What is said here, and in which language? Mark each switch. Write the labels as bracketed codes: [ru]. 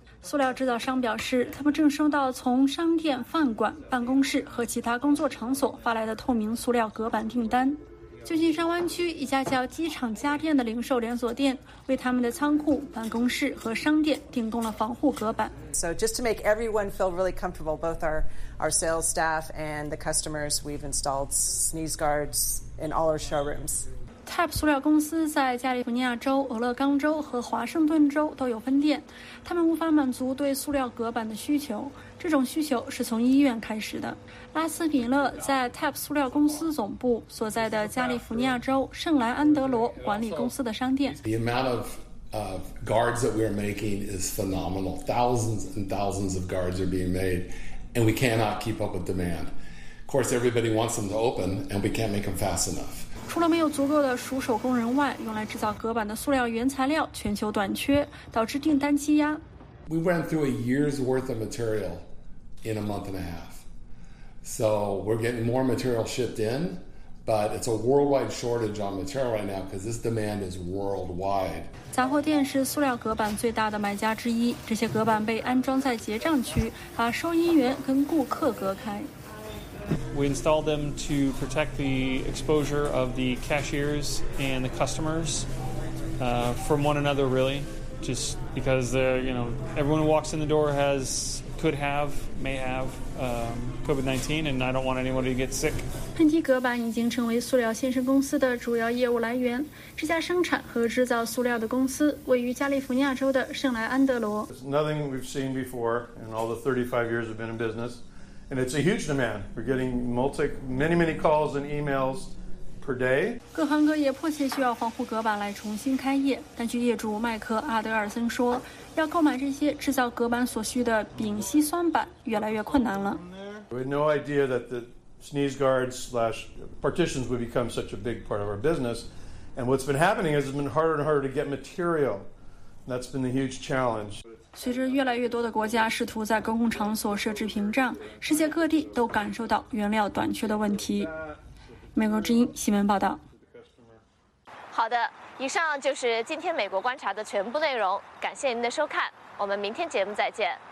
[zh] 塑料制造商表示，他们正收到从商店、饭馆、办公室和其他工作场所发来的透明塑料隔板订单。旧金山湾区一家叫机场家电的零售连锁店为他们的仓库、办公室和商店订供了防护隔板。 [en] So just to make everyone feel really comfortable, both our sales staff and the customers, we've installed sneeze guards in all our showrooms. [zh] TAP 塑料公司在加利福尼亚州、俄勒冈州和华盛顿州都有分店，他们无法满足对塑料隔板的需求。这种需求是从医院开始的。拉斯米勒在 TAP 塑料公司总部所在的加利福尼亚州圣莱安德罗管理公司的商店。 [en] The amount of guards that we're making is phenomenal. Thousands and thousands of guards are being made, and we cannot keep up with demand. Of course, everybody wants them to open, and we can't make them fast enough. [zh] 除了没有足够的熟手工人外，用来制造隔板的塑料原材料全球短缺，导致订单积压。 [en] We went through a year's worth of material in a month and a half. So we're getting more material shipped in, but it's a worldwide shortage on material right now because this demand is worldwide. [zh] 杂货店是塑料隔板最大的买家之一，这些隔板被安装在结账区，把收银员跟顾客隔开。 [en] We installed them to protect the exposure of the cashiers and the customers from one another, really, just because everyone who walks in the door may have COVID-19, and I don't want anybody to get sick. [zh] 喷嚏隔板已经成为塑料先生公司的主要业务来源。这家生产和制造塑料的公司位于加利福尼亚州的圣莱安德罗。 [en] Nothing we've seen before in all the 35 years we've been in business. And it's a huge demand. We're getting many, many calls and emails per day. [zh] 各行各业迫切需要防护隔板来重新开业。但据业主麦克·阿德尔森说，要购买这些制造隔板所需的丙烯酸板越来越困难了。 [en] We had no idea that the sneeze guards / partitions would become such a big part of our business. And what's been happening is it's been harder and harder to get material. That's been the huge challenge. [zh] 随着越来越多的国家试图在公共场所设置屏障，世界各地都感受到原料短缺的问题。美国之音新闻报道。好的，以上就是今天美国观察的全部内容，感谢您的收看，我们明天节目再见。